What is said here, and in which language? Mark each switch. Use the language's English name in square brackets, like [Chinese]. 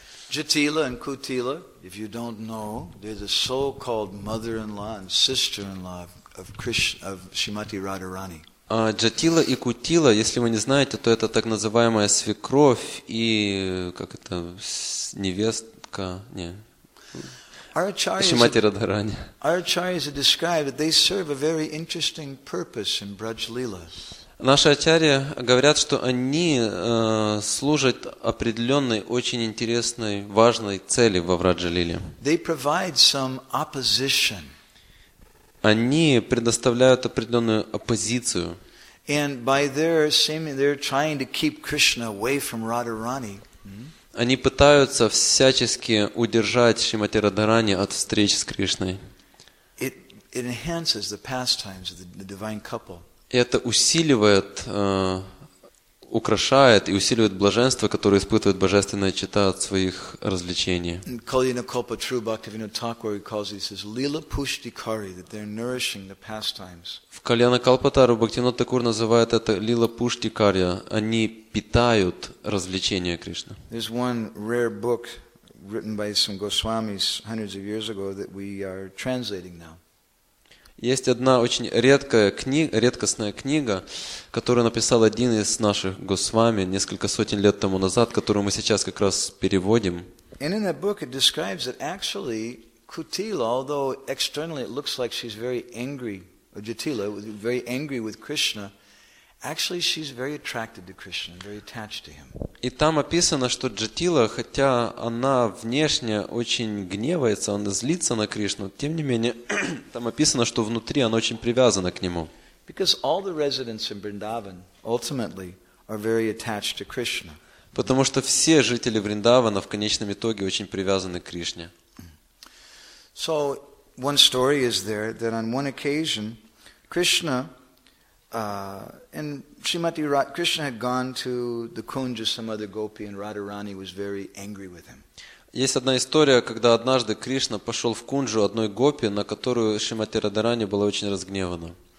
[English] Jatila and Kutila, if you don't know, they're the so-called mother-in-law and sister-in-law of Krishna, of Shrimati Radharani. [Russian] Джатила и Кутила, если вы не знаете, то это так называемая свекровь и как это невестка, не. Шримати Радхарани. [English] Acharyas have described that they serve a very interesting purpose in Braj Lila. [Russian] Наши ачарьи говорят, что они служат определенной, очень интересной, важной цели во Враджа-лиле. [English] They provide some opposition. [Russian] Они предоставляют определенную оппозицию. [English] And by their seeming, they're trying to keep Krishna away from Radharani. [Russian] Они пытаются всячески удержать Шримати Радхарани от встреч с Кришной. [English] It enhances the pastimes of the divine couple. [Russian] Это усиливает, украшает и усиливает блаженство, которое испытывает божественная чета от своих развлечений. [English] Kalyana Kalpa True Bhaktivinoda Thakur calls these his Lila Pushtikari, that they're nourishing the pastimes. [Russian] В Kalyana Kalpa Taru Bhaktivinoda Thakur называет это Lila Pushtikari. Они питают развлечения Кришны. [English] There's one rare book written by some Goswamis hundreds of years ago that we are translating now. [Russian] Есть одна очень редкостная книга, которую написал один из наших госвами несколько сотен лет тому назад, которую мы сейчас как раз переводим. [English] And in that book it describes that actually Kutila, although externally it looks like she's very angry, or Jatila, very angry with Krishna, actually she's very attracted to Krishna, very attached to him. [Russian] И там описано, что Джатила, хотя она внешне очень гневается, она злится на Кришну, тем не менее, там описано, что внутри она очень привязана к нему. [English] Because all the residents in Vrindavan ultimately are very attached to Krishna. [Russian] Потому что все жители Вриндавана в конечном итоге очень привязаны к Кришне. [English] So one story is there that on one occasion Krishna and Shrimati Krishna had gone to the kunja of some other gopi, and Radharani was very angry with him. [Russian] Есть одна история, когда однажды Кришна пошел в кунджу одной гопи, на которую Шримати Радхарани была очень разгневана.